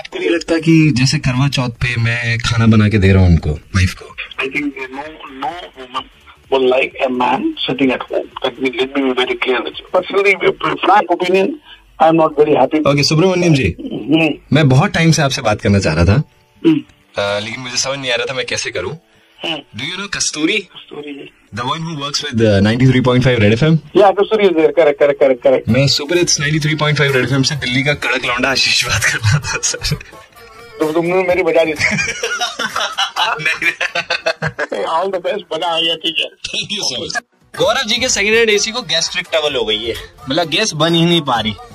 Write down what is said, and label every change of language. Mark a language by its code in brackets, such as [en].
[hi] आपको नहीं लगता कि जैसे करवा चौथ पे मैं खाना बना के दे रहा हूँ उनको, wife को? [en] I think no woman would like a man sitting at home. Let me be very clear with you. Personally, frank opinion, I'm not very happy. [hi] Okay, Subramaniam जी. मैं बहुत time से आपसे बात करना चाह रहा था. लेकिन मुझे समझ नहीं आ रहा था मैं कैसे करूँ. [en] Do you know Kasturi? Kasturi. The one who works with the 93.5 Red FM? Yeah, Kasturi is there. Correct. [hi] मैं Super Hits 93.5 Red FM से दिल्ली का कड़क लौंडा आशीष बात कर रहा था सर. तुमने मेरी बजा ली. नहीं. [en] All the best. [hi] बना आया ठीक है. [en] Thank you so much. [hi] Gaurav ji के सेकंड हैंड एसी को गैस्ट्रिक ट्रबल हो गई है, मतलब गैस बन ही नहीं पा रही.